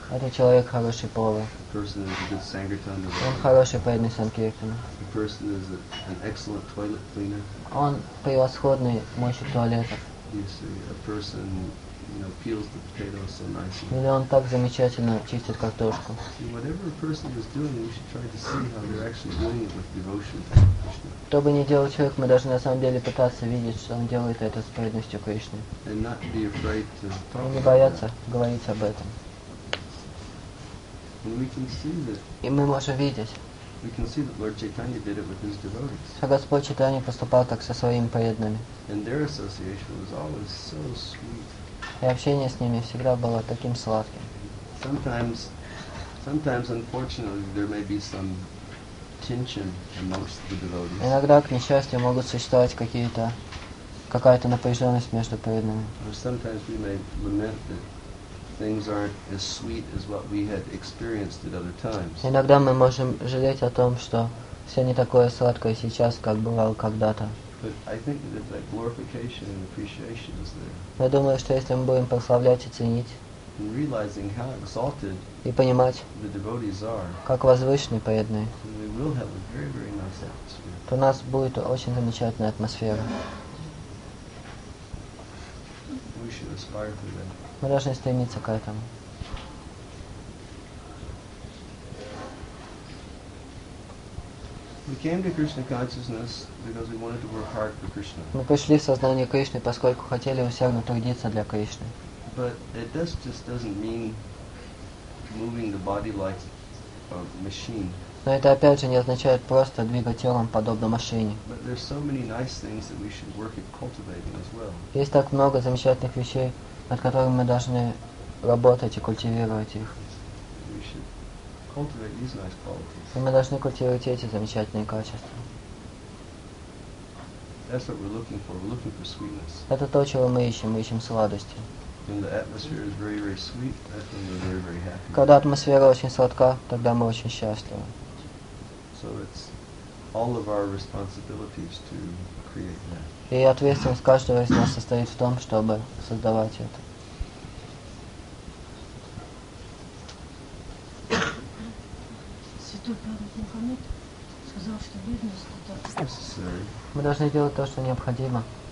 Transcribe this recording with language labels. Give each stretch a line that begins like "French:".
Russian: Этот человек хороший повар.
English: The person is a good sankirtan devotee.
Russian: Он хороший преданный санкиртана.
English: The person is an excellent toilet cleaner.
Russian: Он превосходный моющий туалета.
English: A person, you know, peels the potatoes so nicely.
Russian: Или он так замечательно чистит картошку.
English: See, whatever a person is doing, we should try to see how they're actually doing it with devotion.
Russian: Что бы ни делал человек, мы должны на самом деле пытаться видеть, что он делает это с преданностью Кришне.
English: And not be afraid to talk.
Russian: Не бояться говорить об этом.
English: And we can see that.
Russian: И мы можем видеть.
English: We can see that Lord Chaitanya did it with his devotees.
Russian: Что Господь Чайтанья поступал так со своими преданными.
English: And their association was always so sweet.
Russian: И общение с ними всегда было таким сладким.
English: Sometimes, unfortunately, there may be some tension amongst the devotees.
Russian: Иногда, к несчастью, могут существовать какая-то напряженность между преданными.
English: Or sometimes we may lament that things aren't as sweet as what we had experienced at other times.
Russian: Иногда мы можем жалеть о том, что все не такое сладкое сейчас, как бывало когда-то.
English: But I think that if that glorification and appreciation is there.
Russian: Я думаю, что если мы будем прославлять и ценить.
English: And realizing how exalted
Russian: и понимать,
English: the devotees are,
Russian: как возвышены преданные,
English: we will have a very, very nice atmosphere.
Russian: То у нас будет очень замечательная атмосфера.
English: We should aspire to that.
Russian: Мы должны стремиться к этому.
English: We came to Krishna consciousness because we wanted to work hard for Krishna.
Russian: Мы пришли в сознание Кришны, поскольку хотели усердно трудиться для Кришны.
English: But it does just doesn't mean moving the body like a machine.
Russian: Но это опять же не означает просто двигать телом подобно машине.
English: But there's so many nice things that we should work at cultivating as well.
Russian: Есть так много замечательных вещей, над которыми мы должны работать и культивировать их.
English: We should cultivate these nice qualities.
Russian: И мы должны культивировать эти замечательные качества.
English: That's what we're looking for. We're looking for sweetness.
Russian: Это то, чего мы ищем. Мы ищем сладости.
English: And the atmosphere is very, very sweet. I think we're very, very happy.
Russian: Когда атмосфера очень сладка, тогда мы очень счастливы.
English: So it's all of our responsibilities to create that.
Russian: И ответственность каждого из нас состоит в том, чтобы создавать это. Святой Пророк Мухаммед сказал, что бедность это
English: necessary.
Russian: Мы должны делать то, что необходимо.